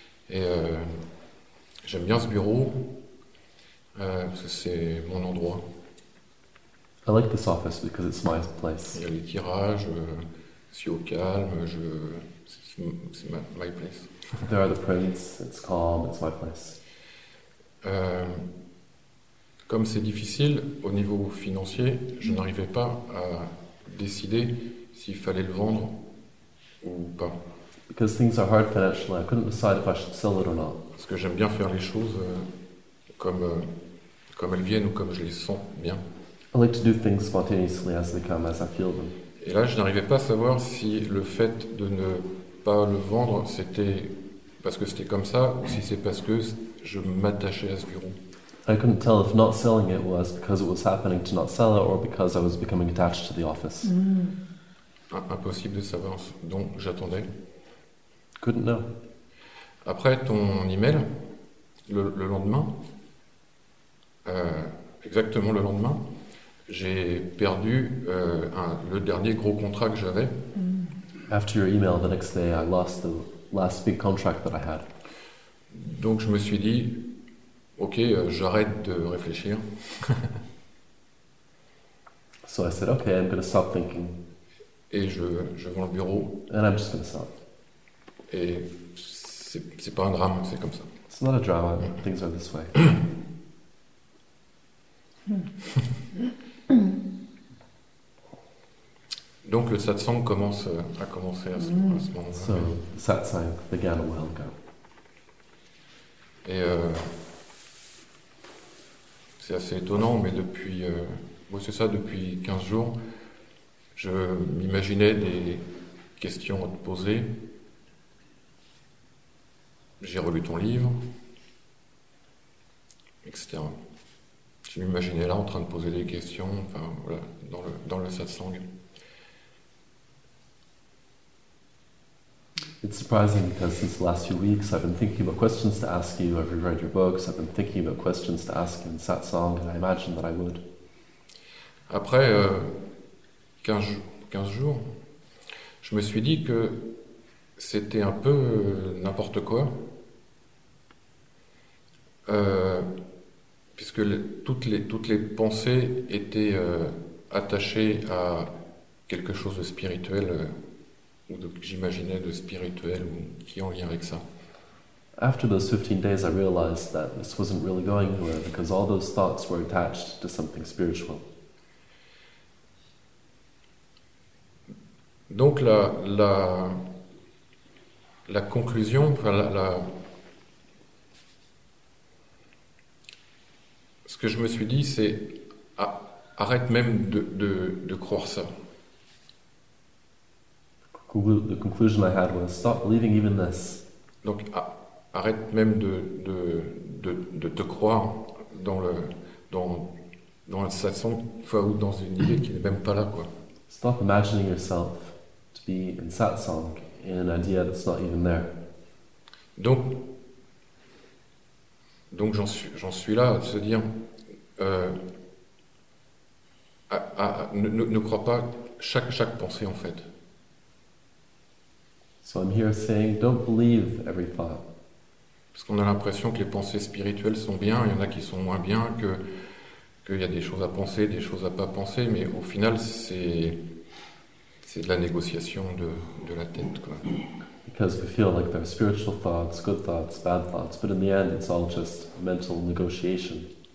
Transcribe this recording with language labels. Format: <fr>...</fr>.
<fr>Et j'aime bien ce bureau parce que c'est mon endroit.</fr> <en>I like this office because it's my place.</en> <fr>Il y a les tirages, je suis au calme, c'est</fr> <en>my place. There are the prints, it's calm, it's my place.</en> <fr>Comme c'est difficile au niveau financier, je n'arrivais pas à décider s'il fallait le vendre ou pas.</fr> <en>Because things are hard financially, I couldn't decide if I should sell it or not.</en> <fr>Parce que j'aime bien faire les choses comme elles viennent ou comme je les sens bien.</fr> <en>I like to do things spontaneously as they come, as I feel them.</en> <fr>Et là, je n'arrivais pas à savoir si le fait de ne pas le vendre, c'était parce que c'était comme ça ou si c'est parce que je m'attachais à ce bureau.</fr> <en>I couldn't tell if not selling it was because it was happening to not sell it or because I was becoming attached to the office.</en> <fr>Impossible de savoir, donc j'attendais.</fr> <en>Couldn't know.</en> <fr>Après ton email, le lendemain, exactement le lendemain, j'ai perdu le dernier gros contrat que j'avais.</fr> <en>After your email, the next day, I lost the last big contract that I had.</en> <fr>Donc je me suis dit, ok, j'arrête de réfléchir.</fr> <en>So I said, okay, I'm going to stop thinking.</en> <fr>Et je vends le bureau.</fr> <en>And I'm just going to sell.</en> <fr>Et c'est pas un drame, c'est comme ça.</fr> <en>It's not a drama, things are this way.</en> <fr>Donc le satsang a commencé à ce moment-là.</fr> <en>So, the satsang began a while ago.</en> <fr>Et c'est assez étonnant, mais depuis, c'est ça, depuis 15 jours, je m'imaginais des questions à te poser. J'ai relu ton livre, etc. Je m'imaginais là en train de poser des questions, enfin voilà, dans le satsang.</fr> <en>It's surprising because since the last few weeks I've been thinking about questions to ask you, I've reread your books, I've been thinking about questions to ask in satsang, and I imagine that I would.</en> <fr>Après 15 jours, je me suis dit que C'était un peu n'importe quoi. Puisque toutes les pensées étaient attachées à quelque chose de spirituel, ou de, j'imaginais de spirituel, ou qui est en lien avec ça.</fr> <en>After those 15 days, I realized that this wasn't really going anywhere because all those thoughts were attached to something spiritual.</en> <fr>Donc la conclusion, enfin ce que je me suis dit, c'est arrête même de croire ça.</fr> <en>The conclusion I had was stop believing even this.</en> <fr>Donc arrête même de te croire dans la façon ou dans une idée qui n'est même pas là, quoi.</fr> <en>Stop imagining yourself to be in satsang in an idea that's not even there.</en> <fr>Donc j'en suis là à se dire ne crois pas chaque pensée en fait.</fr> <en>So I'm here saying don't believe every thought.</en> <fr>Parce qu'on a l'impression que les pensées spirituelles sont bien, il y en a qui sont moins bien, qu'il y a des choses à penser, des choses à pas penser, mais au final, c'est de la négociation de la tête, quoi.</fr> <en>Because we feel like there are spiritual thoughts, good thoughts, bad thoughts, but in the end, it's all just mental negotiation.</en>